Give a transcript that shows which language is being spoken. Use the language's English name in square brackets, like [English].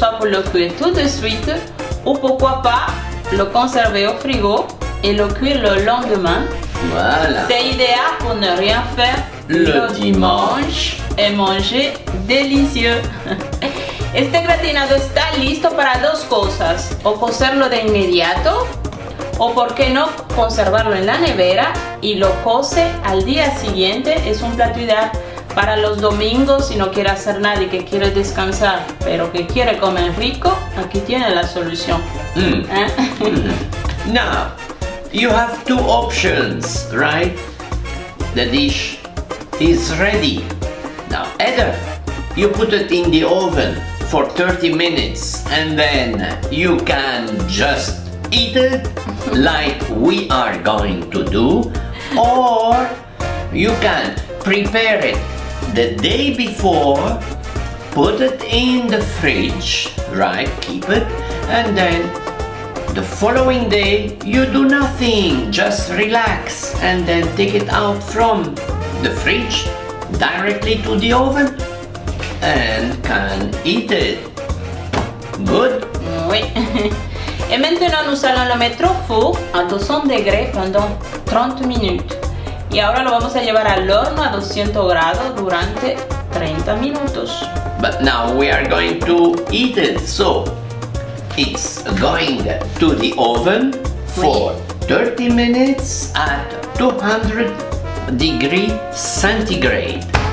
[French] lo cuire tout de suite ou pourquoi pas le conserver au frigo et le cuire le lendemain. Voilà. C'est idéal pour ne rien faire le dimanche et manger délicieux. [Spanish] Este gratinado está listo para dos cosas, o cocerlo de inmediato, o por qué no conservarlo en la nevera y lo cose al día siguiente. Es un plato ideal para los domingos si no quiere hacer nada y que quiere descansar, pero que quiere comer rico, aquí tiene la solución. [English] Now, you have two options, right? The dish is ready. Now, either you put it in the oven for 30 minutes and then you can just eat it like we are going to do, or you can prepare it the day before, put it in the fridge, right, keep it, and then the following day you do nothing, just relax, and then take it out from the fridge directly to the oven and can eat it. Good? [French] Oui. Et maintenant nous allons le mettre au four à 200 degrés pendant 30 minutes. [Spanish] Y ahora lo vamos a llevar al horno a 200 grados durante 30 minutos. [English] But now we are going to eat it. So, it's going to the oven for 30 minutes at 200 degrees centigrade.